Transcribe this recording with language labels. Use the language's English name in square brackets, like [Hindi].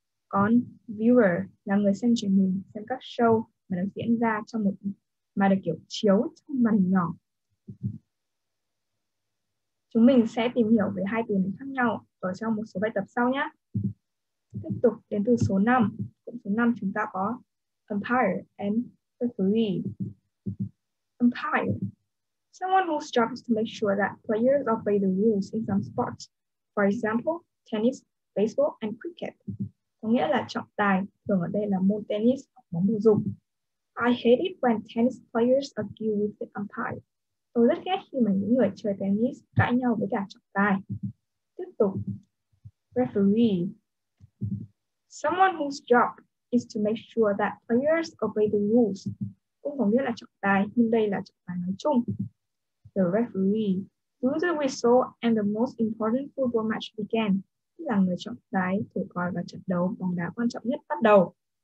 [Vietnamese] Còn viewer là người xem truyền hình, xem các show mà nó diễn ra trong một mà được kiểu chiếu trong màn hình nhỏ. Chúng mình sẽ tìm hiểu về hai từ này khác nhau ở trong một số bài tập sau nhé. Tiếp tục đến từ số 5. Cụm số 5 chúng ta có umpire and referee. [English] Umpire: someone whose job is to make sure that players obey the rules in some sports. For example, tennis, baseball and cricket. [Vietnamese] Có nghĩa là trọng tài, thường ở đây là môn tennis hoặc bóng rổ. [English] I hate it when tennis players argue with the umpire. [Vietnamese] Tôi rất ghét khi mà những người chơi tennis cãi nhau với cả trọng tài. Tiếp tục. [English] Referee: someone whose job is to make sure that players obey the rules. [Vietnamese] Cũng có nghĩa là trọng tài, nhưng đây là trọng tài nói chung. [English] The referee: blew the whistle and the most important football match began. [Vietnamese] Là người trọng tài thổi còi và trận đấu bóng đá quan trọng nhất bắt đầu.